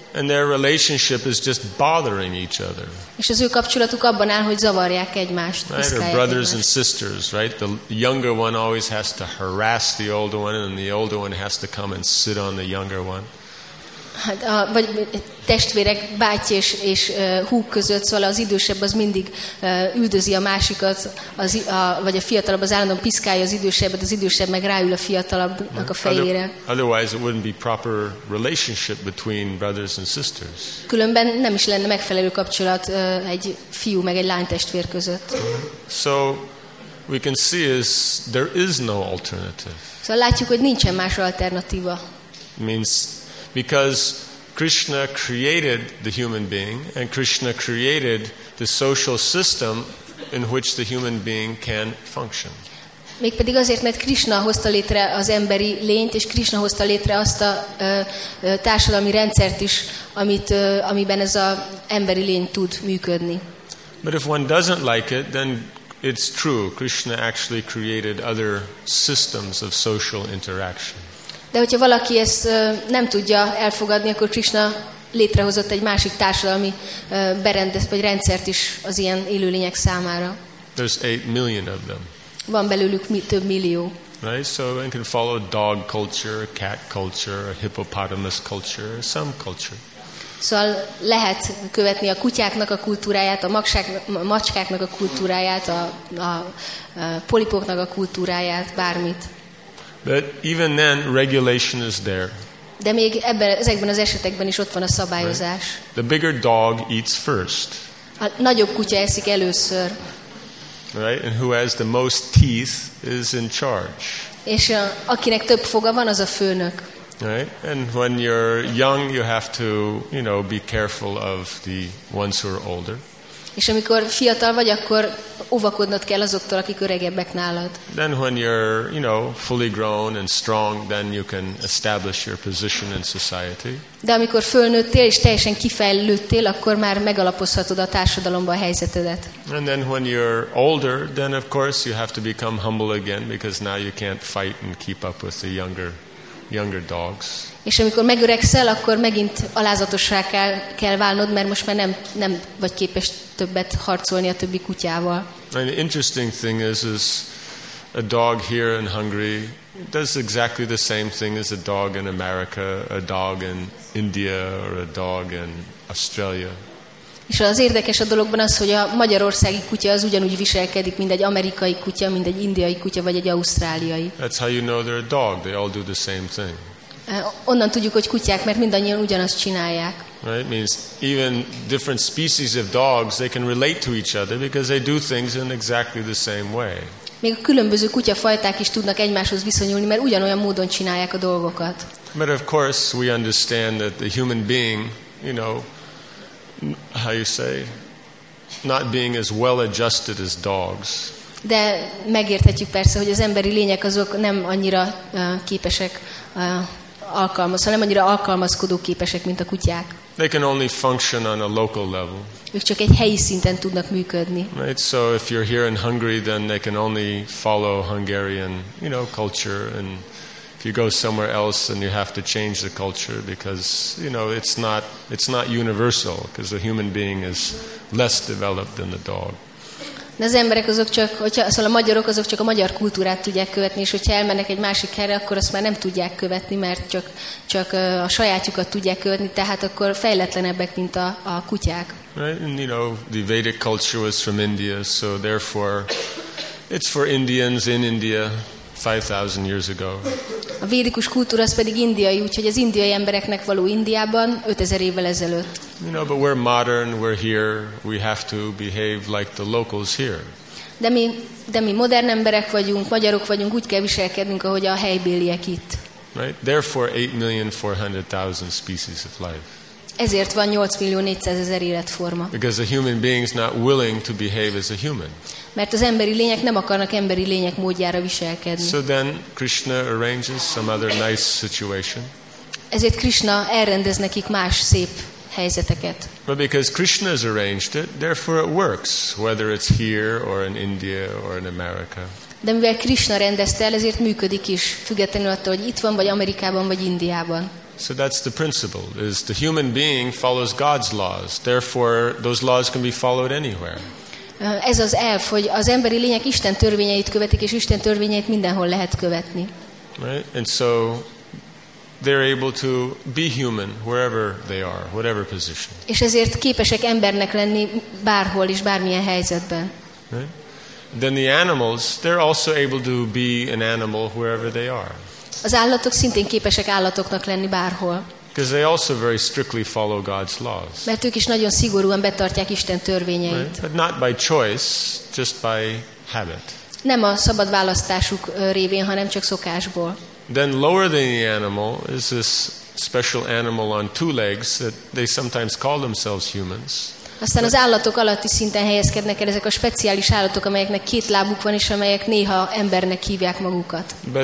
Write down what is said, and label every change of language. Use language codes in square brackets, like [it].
[en] And their relationship is just bothering each other. [hu] És az ő kapcsolatuk abban áll, hogy zavarják egymást. [en] Right, or brothers and sisters, right? The younger one always has to harass the older one, and the older one has to come and sit on the younger one. [hu] Hát, vagy testvérek, bátyja és húg között, szóval az idősebb az mindig üldözi a másikat, vagy a fiatalabb az állandóan piszkálja az idősebbet, az idősebb meg ráül a fiatalabbnak a fejére. [en] Otherwise it wouldn't be proper relationship between brothers and sisters. [hu] Különben nem is lenne megfelelő kapcsolat egy fiú meg egy lány testvér között. [en] So we can see is there is no alternative. [hu] Szóval látjuk, hogy nincsen más alternatíva. [en] Means because Krishna created the human being and Krishna created the social system in which the human being can function. [hu] Mégpedig azért, mert Krishna hozta létre az emberi lényt, és Krishna hozta létre azt a társadalmi rendszert is, amiben ez az emberi lény tud működni. [en] But if one doesn't like it, then it's true. Krishna actually created other systems of social interaction. [hu] De hogyha valaki ezt nem tudja elfogadni, akkor Krishna létrehozott egy másik társadalmi berendezést vagy rendszert is az ilyen élőlények számára. [en] There's 8 million of them. [hu] Van belőlük több millió. [en] Right, so one can follow dog culture, cat culture, hippopotamus culture, some culture. [hu] Szóval lehet követni a kutyáknak a kultúráját, a macskáknak a kultúráját, a polipoknak a kultúráját, bármit. [en] But even then, regulation is there. [hu] De még ebben, ezekben az esetekben is ott van a szabályozás. [en] Right? The bigger dog eats first. [hu] A nagyobb kutya eszik először. [en] Right? And who has the most teeth is in charge. [hu] És akinek több foga van, az a főnök. [en] Right? And when you're young, you have to, you know, be careful of the ones who are older. [hu] És amikor fiatal vagy, akkor óvakodnod kell azoktól, akik öregebbek nálad. [en] Then when you're, you know, fully grown and strong, then you can establish your position in society. [hu] De amikor fölnőttél és teljesen kifejlődtél, akkor már megalapozhatod a társadalomban a helyzetedet. [en] And then when you're older, then of course you have to become humble again, because now you can't fight and keep up with the younger dogs. [hu] És amikor megöregszel, akkor megint alázatossá kell válnod, mert most már nem vagy képes többet harcolni a többi kutyával. [en] An interesting thing is a dog here in Hungary does exactly the same thing as a dog in America, a dog in India, or a dog in Australia. [hu] És az érdekes a dologban az, hogy a magyarországi kutya az ugyanúgy viselkedik, mint egy amerikai kutya, mint egy indiai kutya, vagy egy ausztráliai. [en] That's how you know they're a dog. They all do the same thing. [hu] Onnan tudjuk, hogy kutyák, mert mindannyian ugyanazt csinálják. [en] Right? Means even different species of dogs, they can relate to each other because they do things in exactly the same way. [hu] Még a különböző kutyafajták is tudnak egymáshoz viszonyulni, mert ugyanolyan módon csinálják a dolgokat. [en] But of course we understand that the human being, you know, how you say, not being as well adjusted as dogs. [hu] De megérthetjük persze, hogy az emberi lények azok nem annyira képesek alkalmazkodni, nem annyira alkalmazkodó képesek, mint a kutyák. [en] They can only function on a local level. [hu] Ők csak egy helyi szinten tudnak működni. [en] Right, so if you're here in Hungary, then they can only follow Hungarian, you know, culture. And if you go somewhere else, then you have to change the culture because, you know, it's not universal because the human being is less developed than the dog. [hu] De az emberek azok csak, szóval a magyarok azok csak a magyar kultúrát tudják követni, és hogyha elmennek egy másik helyre, akkor azt már nem tudják követni, mert csak a sajátjukat tudják követni, tehát akkor fejletlenebbek, mint a kutyák. [en] Right, and you know, the Vedic culture was from India, so therefore it's for Indians in India 5,000 years ago. [hu] A védikus kultúra az pedig indiai, úgyhogy az indiai embereknek való Indiában 5000 évvel ezelőtt. [en] You know, but we're modern, we're here, we have to behave like the locals here. [hu] De mi modern emberek vagyunk, magyarok vagyunk, úgy kell viselkednünk, ahogy a helybéliek itt. [en] Right? Therefore 8,400,000 species of life. [hu] Ezért van 8,400,000 életforma. [en] Because a human being is not willing to behave as a human. [hu] Mert az emberi lények nem akarnak emberi lények módjára viselkedni. [en] So then Krishna arranges some other nice situation. [hu] Ezért Krishna elrendez nekik más szép helyzeteket. [en] But because Krishna has arranged it, therefore it works, whether it's here or in India or in America. [hu] De mivel Krishna rendezte el, ezért működik is, függetlenül attól, hogy itt van, vagy Amerikában, vagy Indiában. [en] So that's the principle, is the human being follows God's laws, therefore those laws can be followed anywhere. [hu] Ez az elf, hogy az emberi lények Isten törvényeit követik, és Isten törvényeit mindenhol lehet követni. [en] Right? And so they're able to be human wherever they are, whatever position. [hu] És ezért képesek embernek lenni bárhol és bármilyen helyzetben. [en] Then the animals, they're also able to be an animal wherever they are. [hu] Az állatok szintén képesek állatoknak lenni bárhol. [en] Because they also very strictly follow God's laws. [hu] Mert ők is nagyon szigorúan betartják Isten törvényeit. [en] Right? But not by choice, just by habit. [hu] Nem a szabad választásuk révén, hanem csak szokásból. [en] Then lower than the animal is this special animal on two legs that they sometimes call themselves humans. [hu] Aztán az állatok alatti szinten helyezkednek el ezek a speciális állatok, amelyeknek két lábuk van és amelyek néha embernek hívják magukat.